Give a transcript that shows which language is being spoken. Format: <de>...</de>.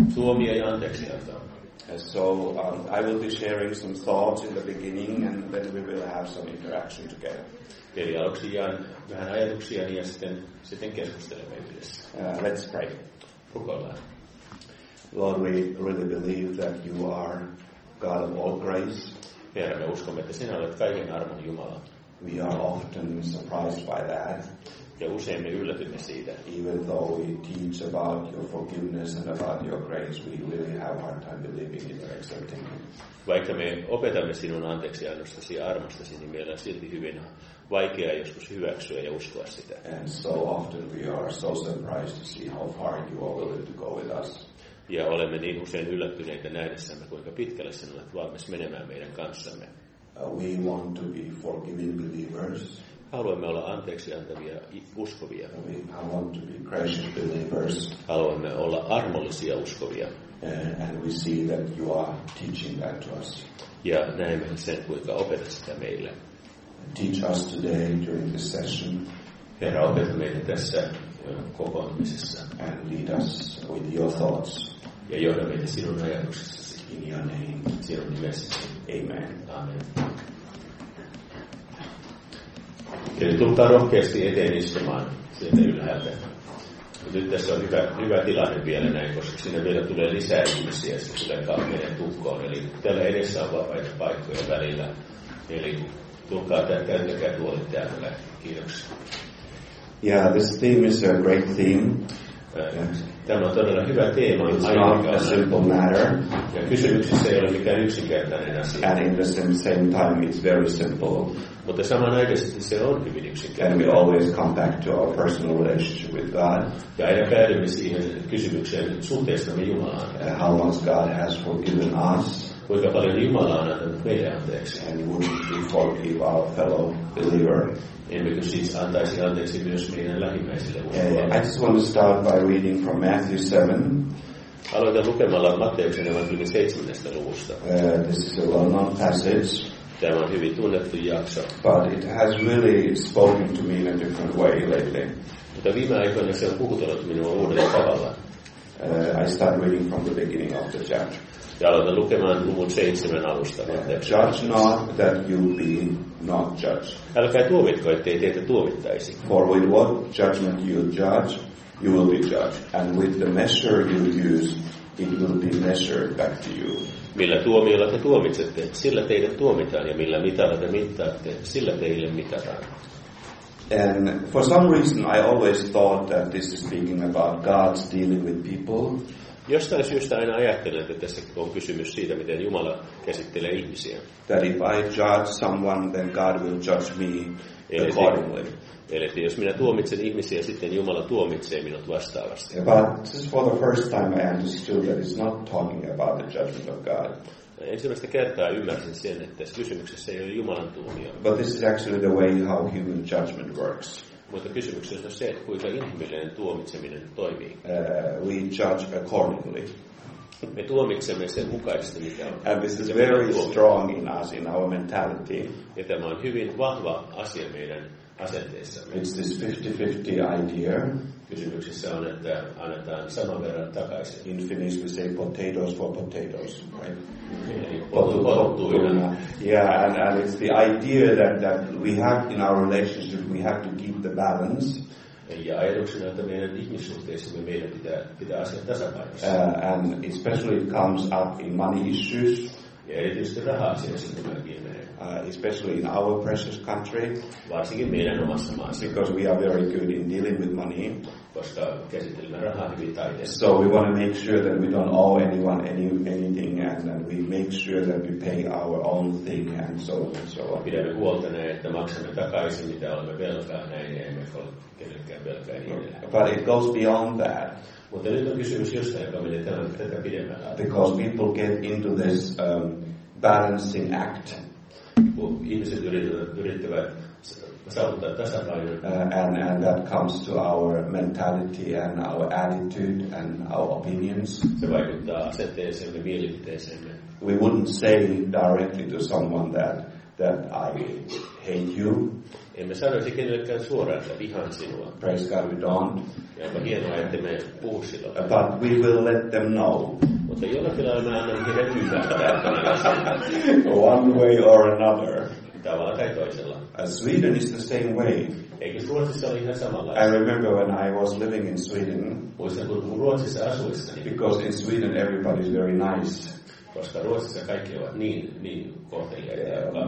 <en>So I will be sharing some thoughts in the beginning, and then we will have some interaction together.</en> <fi>Eli aluksi jaan vähän ajatuksiani ja sitten keskustelemme yhdessä.</fi> <en>Let's pray.</en> <fi>Rukoillaan.</fi> <en>Lord, we really believe that you are God of all grace.</en> <fi>Herra, me uskomme, että sinä olet kaiken armon Jumala.</fi> <en>We are often surprised by that.</en> <fi>Ja usein me yllätymme siitä.</fi> <en>Even though we teach about your forgiveness and about your grace, we really have a hard time believing it or accepting it.</en> <fi>Vaikka me opetamme sinun anteeksiannostasi ja armostasi, niin meillä on silti hyvin vaikea joskus hyväksyä ja uskoa sitä.</fi> <en>And so often we are so surprised to see how far you are willing to go with us.</en> <fi>Ja olemme niin usein yllättyneitä nähdessämme, kuinka pitkälle sinä olet valmis menemään meidän kanssamme.</fi> <en>We want to be forgiving believers.</en> <fi>Haluamme olla anteeksi antavia uskovia.</fi> <en>We want to be gracious believers.</en> <fi>Haluamme olla armollisia uskovia.</fi> <en>And we see that you are teaching that to us.</en> <fi>Ja näemme sen, kuinka opetat sitä meille.</fi> <en>Teach us today during this session.</en> <fi>Herra, opeta meitä tässä kokoamisessa.</fi> <en>And lead us with your thoughts.</en> <fi>Ja johda meitä sinun ajatuksessasi.</fi> <en>In your name.</en> <fi>Sinun nimessä.</fi> <en>Amen.</en> <fi>Amen. Eli tulkaa rohkeasti eteen istumaan sieltä ylhäältä. Nyt tässä on hyvä tilanne vielä näin, koska sinne vielä tulee lisää ihmisiä, jotka tulevat meidän tukkoon. Eli täällä edessä on vapaita paikkoja välillä. Eli tulkaa tämän, käyttäkää tuoli täällä. Kiitoksia.</fi> <en>Yeah, this theme is a great theme.</en> <fi>Tämä on todella hyvä teema.</fi> <en>It's not a simple matter.</en> <fi>Ja kysymyksessä ei ole mikään yksinkertainen asia.</fi> <en>And in the same time, it's very simple.</en> <fi>Mutta samanaikaisesti se on hyvin yksinkertainen.</fi> <en>And we always come back to our personal relationship with God.</en> <fi>Ja aina päädymme siihen kysymykseen suhteestamme Jumalaan.</fi> <en>How long God has forgiven us.</en> <fi>Kuinka paljon Jumala on antanut meidän anteeksi.</fi> <en>And would we forgive our fellow believer.</en> <fi>Emmekö siis antaisi anteeksi myös meidän lähimmäisille uskoa.</fi> <en>I just want to start by reading from Matthew 7.</en> <fi>Aloitan lukemalla Matteuksen evankeliumin 7. luvusta.</fi> <en>This is a well-known passage.</en> <fi>Tämä on hyvin tunnettu jakso.</fi> <en>But it has really spoken to me in a different way lately.</en> <fi>Mutta viime aikoina se on puhutellut minua uudella tavalla.</fi> <en>I start reading from the beginning of the chapter.</en> <fi>Ja aloitan lukemaan luvun 7 alusta.</fi> <en>Judge not that you be not judged.</en> <fi>Älkää tuomitko, ettei teitä tuomittaisi.</fi> <en>For with what judgment you judge, you will be judged. And with the measure you use, it will be measured back to you.</en> <fi>Millä tuomiolla te tuomitsette, sillä teidät tuomitaan, ja millä mitalla te mittaatte, sillä teille mitataan.</fi> <en>And for some reason I always thought that this is speaking about God's dealing with people.</en> <fi>Jostain syystä aina ajattelen, että tässä on kysymys siitä, miten Jumala käsittelee ihmisiä.</fi> <en>That if I judge someone, then God will judge me accordingly.</en> <fi>Eli jos minä tuomitsen ihmisiä, sitten Jumala tuomitsee minut vastaavasti.</fi> <en>But this is for the first time I understood that it's not talking about the judgment of God.</en> <fi>Ensimmäistä kertaa ymmärsin sen, että tässä kysymyksessä ei ole Jumalan tuomio.</fi> <en>But this is actually the way how human judgment works.</en> <fi>Mutta kysymyksessä on se, että kuinka ihmeellinen tuomitseminen toimii.</fi> <en>We judge accordingly.</en> <fi>Me tuomitsemme sen mukaisesti, mikä on.</fi> <en>And this is very strong in us, in our mentality.</en> <fi>Ja tämä on hyvin vahva asia meidän asenteessamme.</fi> <en>It's this 50-50 idea.</en> <fi>Kysymyksessä on, että annetaan saman verran takaisin.</fi> <en>In Finnish we say potatoes for potatoes, right? And it's the idea that we have in our relationship, we have to keep the balance.</en> <fi>Ja ajatuksena, että meidän ihmissuhteissamme meidän pitää asiat tasapainossa.</fi> <en>And especially it comes up in money issues.</en> <fi>Ja erityisesti raha-asiassa tämä kielee.</fi> <en>Especially in our precious country.</en> <fi>Varsinkin meidän omassa maassa.</fi> <en>Because we are very good in dealing with money.</en> <fi>Koska käsittelemme rahaa hyvin taiteessa.</fi> <en>So we want to make sure that we don't owe anyone anything, and that we make sure that we pay our own thing, and so on and so on.</en> <fi>Pidämme huolta näin, että maksamme takaisin, mitä olemme velkaa näin, ja emme ole kenellekään velkaa niin edelleen.</fi> <en>But it goes beyond that.</en> <fi>Mutta nyt on kysymys jostain, joka menee tätä pidemmällä.</fi> <en>Because people get into this balancing act.</en> <fi>ihmiset yrittävät saavuttaa tasapainon.</fi> <en>And that comes to our mentality and our attitude and our opinions.</en> <fi>Se vaikuttaa asenteeseemme, mielipiteeseemme.</fi> <en>We wouldn't say directly to someone that I hate you.</en> <fi>Emme sanoisi kenellekään suoraan, että vihaan sinua.</fi> <en>Praise God, we don't.</en> <fi>Ja onpa hienoa, että me puhu sinua.</fi> <en>But we will let them know.</en> <fi>Mutta jollakin lailla me annamme heidän ymmärtää.</fi> <en>One way or another.</en> <fi>Tavalla tai toisella.</fi> <en>Sweden is the same way.</en> <fi>Eikö Ruotsissa ole ihan samanlaista?</fi> <en>I remember when I was living in Sweden.</en> <fi>Muistan, kun Ruotsissa asuissani.</fi> <en>Because in Sweden everybody is very nice.</en> <fi>Koska Ruotsissa kaikki ovat niin kohteliaita.</fi>